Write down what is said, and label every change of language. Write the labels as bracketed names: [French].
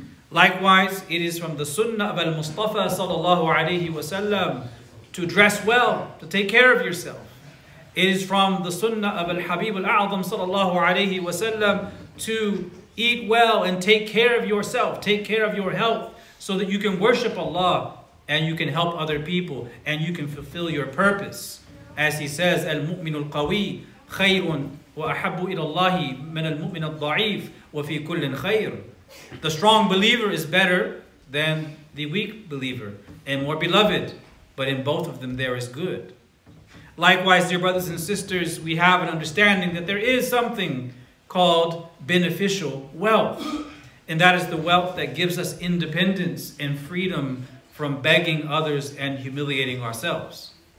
[English] Likewise, it is from the sunnah of al-Mustafa sallallahu alayhi wa sallam to dress well, to take care of yourself. It is from the sunnah of al-Habib al-A'zam sallallahu alayhi wa sallam to eat well and take care of yourself, take care of your health, so that you can worship Allah and you can help other people and you can fulfill your purpose. As he says, [Arabic] المؤمن القوي خير وأحب إلى الله من المؤمن الضعيف وفي كل خير. [English] The strong believer is better than the weak believer and more beloved, but in both of them there is good. Likewise, dear brothers and sisters, we have an understanding that there is something called beneficial wealth. And that is the wealth that gives us independence and freedom from begging others and humiliating ourselves.